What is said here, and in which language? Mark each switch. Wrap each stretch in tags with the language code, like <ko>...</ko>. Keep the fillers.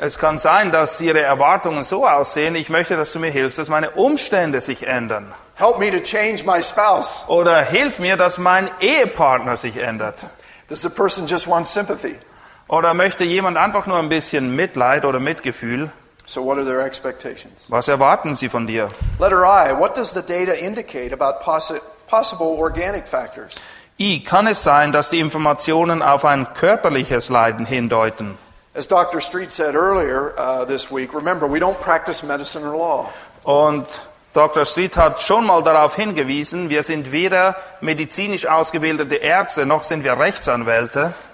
<de>Es kann sein, dass ihre Erwartungen so aussehen, ich möchte, dass du mir hilfst, dass meine Umstände sich ändern.</de> <en>Help me to change my spouse.</en> <de>Oder hilf mir, dass mein Ehepartner sich ändert.</de> <en>Does the person just want sympathy?</en> <de>Oder möchte jemand einfach nur ein bisschen Mitleid oder Mitgefühl?</de> <en>So what are their expectations? Letter I, what does the data indicate about possible organic factors?</en> <de>I. Kann es sein, dass die Informationen auf ein körperliches Leiden hindeuten?</de> <en>Dr. Earlier, uh, week, remember,</en> <de>Und Dr. Street hat schon mal darauf hingewiesen, wir sind weder medizinisch ausgebildete Ärzte noch sind wir Rechtsanwälte.</de>